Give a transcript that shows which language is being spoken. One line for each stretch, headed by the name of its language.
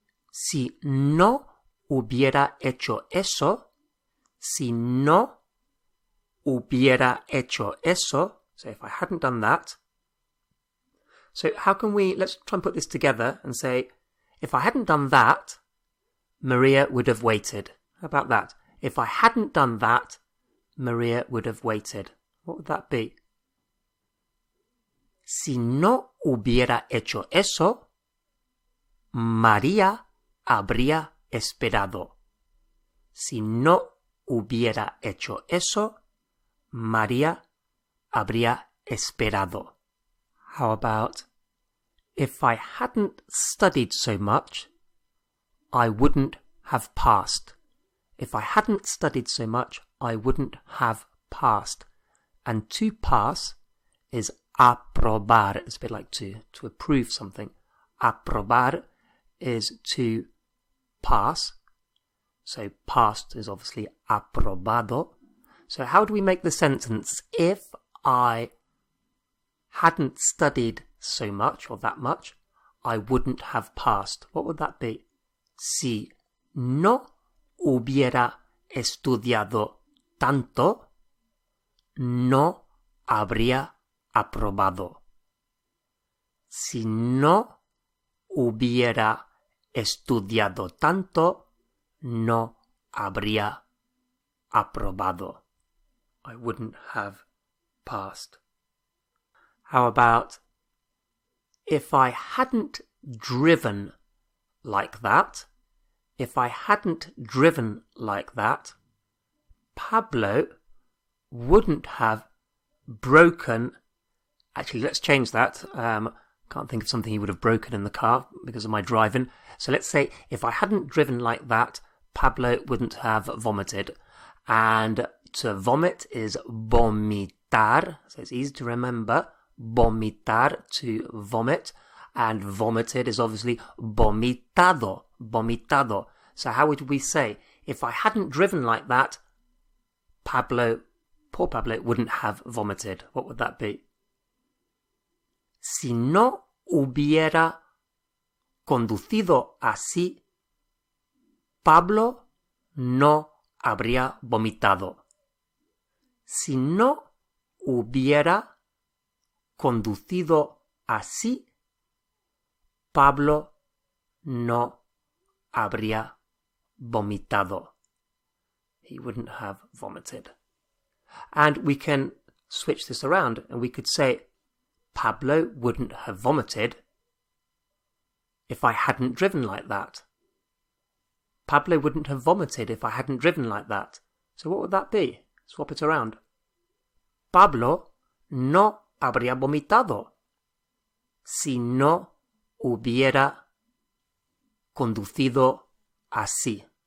Spanish: Si no hubiera hecho eso, si no hubiera hecho eso,
English: so if I hadn't done that. So how can we, let's try and put this together and say, if I hadn't done that, Maria would have waited. How about that? If I hadn't done that, Maria would have waited. What would that be?
Spanish: Si no hubiera hecho eso, María habría esperado. Si no hubiera hecho eso, María habría esperado.
English: How about, if I hadn't studied so much, I wouldn't have passed. If I hadn't studied so much, I wouldn't have passed. And to pass is aprobar. It's a bit like to approve something. Aprobar is to pass. So passed is obviously aprobado. So how do we make the sentence? If I hadn't studied so much or that much, I wouldn't have passed. What would that be?
Spanish: Si no hubiera estudiado tanto, no habría aprobado. Si no hubiera estudiado tanto, no habría aprobado.
English: I wouldn't have passed. How about if I hadn't driven like that? If I hadn't driven like that, Pablo wouldn't have broken. Actually, let's change that. Can't think of something he would have broken in the car because of my driving. So let's say if I hadn't driven like that, Pablo wouldn't have vomited. And to vomit is vomitar. So it's easy to remember. Vomitar, to vomit. And vomited is obviously vomitado. Vomitado. So how would we say, if I hadn't driven like that, Pablo, poor Pablo, wouldn't have vomited. What would that be?
Spanish: Si no hubiera conducido así, Pablo no habría vomitado. Si no hubiera conducido así, Pablo no habría vomitado.
English: He wouldn't have vomited. And we can switch this around and we could say, Pablo wouldn't have vomited if I hadn't driven like that. Pablo wouldn't have vomited if I hadn't driven like that. So what would that be? Swap it around.
Spanish: Pablo no habría vomitado si no hubiera conducido así.